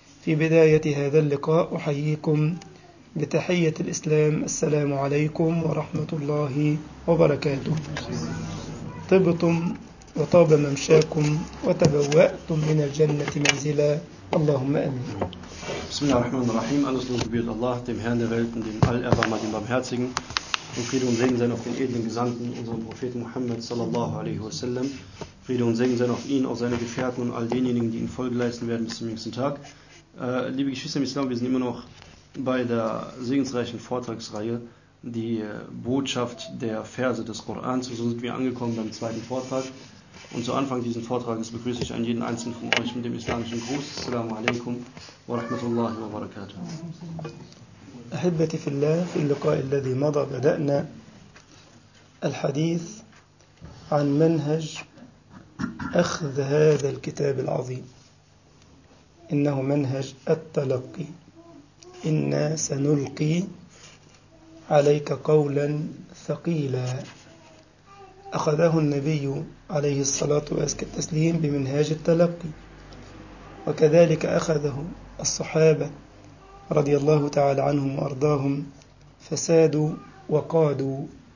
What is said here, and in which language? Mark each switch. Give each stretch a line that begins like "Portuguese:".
Arabic: في بداية هذا اللقاء أحييكم بتحية الإسلام، السلام عليكم ورحمة الله وبركاته. طبتم وطاب ممشاكم وتبوأتم من الجنة منزلا. اللهم آمين. بسم الله الرحمن الرحيم.
German: Alles Lob gebührt Allah, dem Herrn der Welten, dem Allerbarmherzigen, Barmherzigen. Und Friede und Segen sein auf den edlen Gesandten, unserem Propheten Muhammad sallallahu alaihi wasallam. Friede und Segen sein auf ihn, auf seine Gefährten und all denjenigen, die ihn Folge leisten werden bis zum jüngsten Tag. Liebe Geschwister im Islam, wir sind immer noch bei der segensreichen Vortragsreihe, die Botschaft der Verse des Korans. So sind wir angekommen beim zweiten Vortrag. Und zu Anfang dieses Vortrages begrüße ich an jeden einzelnen von euch mit dem islamischen Gruß.
Arabic: Assalamu alaikum wa rahmatullahi wa barakatuh. أحبتي في الله في اللقاء الذي مضى بدأنا الحديث عن منهج أخذ هذا الكتاب العظيم إنه منهج التلقي إنا سنلقي عليك قولا ثقيلا أخذه النبي عليه الصلاة والتسليم بمنهج التلقي وكذلك أخذه الصحابة رضي الله تعالى عنهم وأرضاهم فسادوا وقادوا